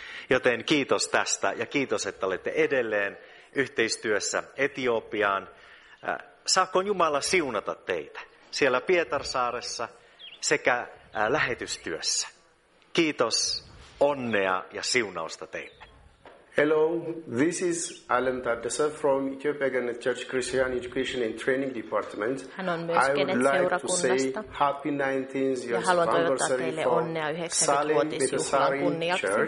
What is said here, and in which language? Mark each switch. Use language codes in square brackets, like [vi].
[fi] Joten kiitos tästä ja kiitos, että olette edelleen yhteistyössä Etiopiaan. Saako Jumala siunata teitä siellä Pietarsaaressa sekä lähetystyössä? Kiitos, onnea ja siunausta teille. [en] Hello, this is Alan Tardesa from Ethiopia Genet Church Christian Education and Training Department. [fi] Hän on myös Genet-seurakunnasta. [en] Happy 19th [fi] ja haluan toivottaa teille onnea 90-vuotisjuhlan kunniaksi.